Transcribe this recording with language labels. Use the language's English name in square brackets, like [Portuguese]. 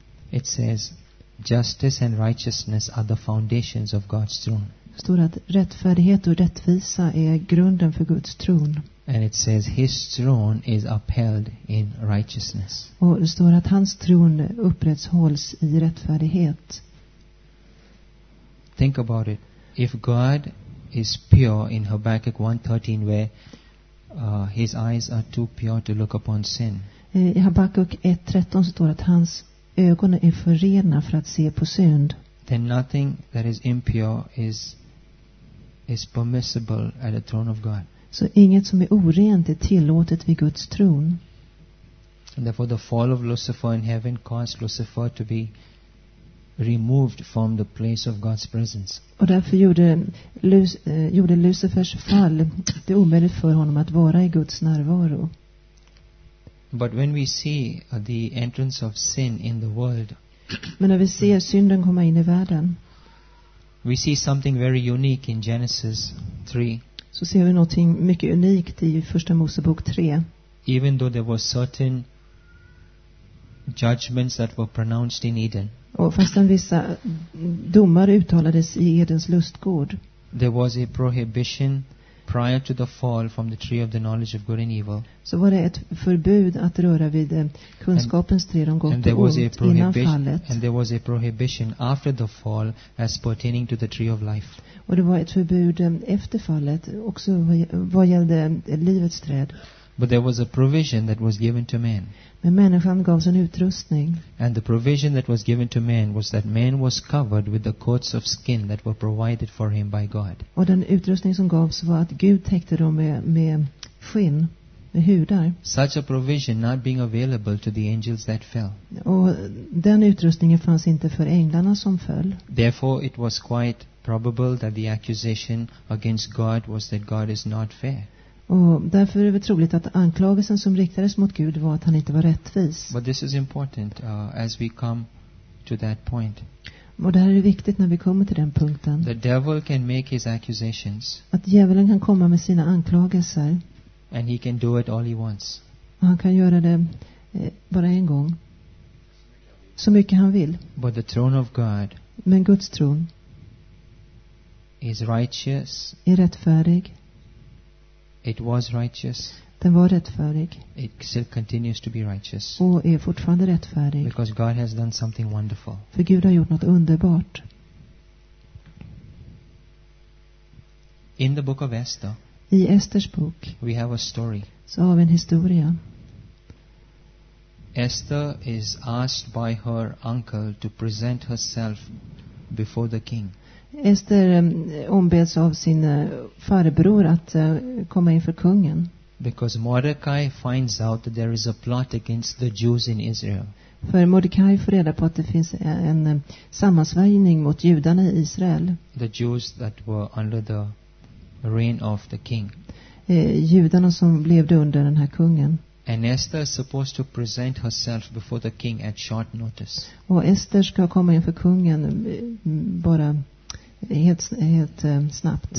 [English] It says justice and righteousness are the foundations of God's throne. [Swedish] Det står att rättfärdighet och rättvisa är grunden för Guds tron. [English] And it says his throne is upheld in righteousness. [Swedish] Och det står att hans tron upprätthålls i rättfärdighet. [English] Think about it. If God is pure in Habakkuk 1:13 where his eyes are too pure to look upon sin. [Swedish] I Habakkuk 1:13 står att hans ögon är för rena för att se på synd. [English] Then nothing that is impure is permissible at the throne of God. [Swedish] Så inget som är orent är tillåtet vid Guds tron. [English] And therefore the fall of Lucifer in heaven caused Lucifer to be removed from the place of God's presence. [Swedish] Och därför gjorde Lucifers fall det omöjligt för honom att vara i Guds närvaro. [English] But when we see the entrance of sin in the world, [Swedish] men när vi ser synden komma in i världen, [English] we see something very unique in Genesis 3. [Swedish] Så ser vi någonting mycket unikt i Första Mosebok 3. [English] Even though there were certain judgments that were pronounced in Eden. [Swedish] Och fastän vissa domar uttalades i Edens lustgård. [English] There was a prohibition prior to the fall from the tree of the knowledge of good and evil. [Swedish] Så var det ett förbud att röra vid kunskapens träd om gott och ont innan fallet. [English] And there was a prohibition after the fall as pertaining to the tree of life. [Swedish] Och det var ett förbud efter fallet också vad gällde livets träd. [English] But there was a provision that was given to man. [Swedish] Men människan gavs en utrustning. [English] And the provision that was given to man was that man was covered with the coats of skin that were provided for him by God. [Swedish] Och den utrustning som gavs var att Gud täckte dem med skinn, med hudar. [English] Such a provision not being available to the angels that fell. [Swedish] Och den utrustningen fanns inte för änglarna som föll. [English] Therefore it was quite probable that the accusation against God was that God is not fair. [Swedish] Och därför är det troligt att anklagelsen som riktades mot Gud var att han inte var rättvis. [English] But this is important as we come to that point. [Swedish] Och det här är viktigt när vi kommer till den punkten. [English] The devil can make his accusations. [Swedish] Att djävulen kan komma med sina anklagelser. [English] And he can do it all he wants. [Swedish] Och han kan göra det bara en gång. Så mycket han vill. [English] But the throne of God. [Swedish] Men Guds tron. [English] Is righteous. [Swedish] Är rättfärdig. [English] It was righteous. [Swedish] Den var rättfärdig. [English] It still continues to be righteous. [Swedish] Och är fortfarande rättfärdig. [English] Because God has done something wonderful. [Swedish] För Gud har gjort något underbart. [English] In the book of Esther. [Swedish] I Esters bok. [English] We have a story. [Swedish] Så har vi en historia. [English] Esther is asked by her uncle to present herself before the king. [Swedish] Esther ombeds av sin farbror att komma inför kungen. [English] Because Mordecai finds out that there is a plot against the Jews in Israel. [Swedish] För Mordecai får reda på att det finns en sammansvärjning mot judarna i Israel. [English] The Jews that were under the reign of the king. [Swedish] Judarna som levde under den här kungen. [English] And Esther is supposed to present herself before the king at short notice. [Swedish] Och Esther ska komma inför kungen bara helt snabbt.